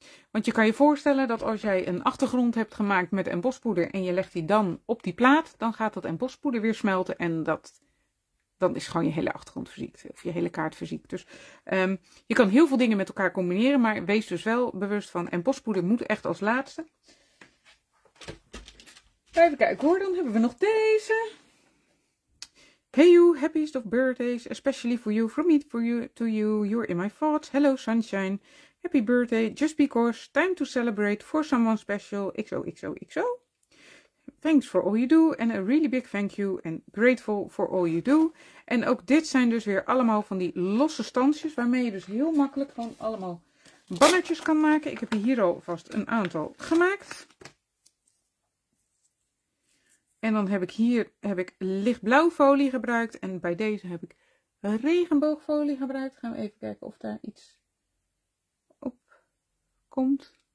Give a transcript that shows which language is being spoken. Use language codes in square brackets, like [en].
[nl] Want je kan je voorstellen dat als jij een achtergrond hebt gemaakt met embospoeder en je legt die dan op die plaat, dan gaat dat embospoeder weer smelten en dan is gewoon je hele achtergrond verziekt of je hele kaart verziekt. Dus je kan heel veel dingen met elkaar combineren, maar wees dus wel bewust van embospoeder moet echt als laatste. Even kijken hoor, dan hebben we nog deze. [en] Hey you, happiest of birthdays, especially for you, from me for you, to you, you're in my thoughts. Hello sunshine, happy birthday, just because, time to celebrate for someone special, XOXOXO. Thanks for all you do and a really big thank you and grateful for all you do. [nl] En ook dit zijn dus weer allemaal van die losse stansjes waarmee je dus heel makkelijk gewoon allemaal bannertjes kan maken. Ik heb hier alvast een aantal gemaakt. En dan heb ik hier heb ik lichtblauw folie gebruikt. En bij deze heb ik regenboogfolie gebruikt. Gaan we even kijken of daar iets op komt.